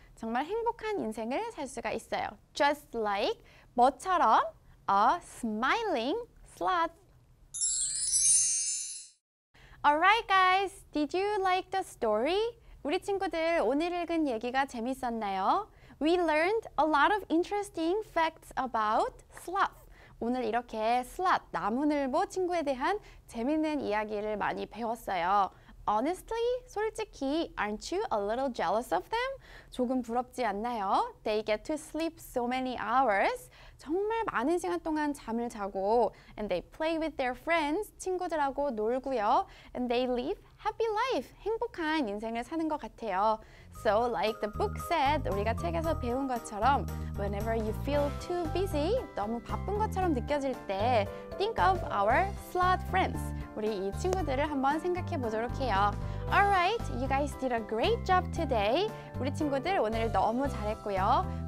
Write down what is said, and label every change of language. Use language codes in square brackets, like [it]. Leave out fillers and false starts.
[ko] 정말 행복한 인생을 살 수가 있어요. [en] Just like 뭐처럼 a smiling sloth. Alright guys, did you like the story? [ko] 우리 친구들 오늘 읽은 얘기가 재밌었나요? [en] We learned a lot of interesting facts about sloth. [ko] 오늘 이렇게 sloth, 나무늘보 친구에 대한 재밌는 이야기를 많이 배웠어요. [en] Honestly, 솔직히, aren't you a little jealous of them? [ko] 조금 부럽지 않나요? [en] They get to sleep so many hours. [ko] 정말 많은 시간 동안 잠을 자고 [en] and they play with their friends, [ko] 친구들하고 놀고요. [en] And they live happy life, [ko] 행복한 인생을 사는 것 같아요. [en] So like the book said, [ko] 우리가 책에서 배운 것처럼 [en] whenever you feel too busy, [ko] 너무 바쁜 것처럼 느껴질 때 [en] think of our sloth friends. [ko] 우리 이 친구들을 한번 생각해 보도록 해요. [en] Alright, you guys did a great job today. [ko] 우리 친구들 오늘 너무 잘했고요.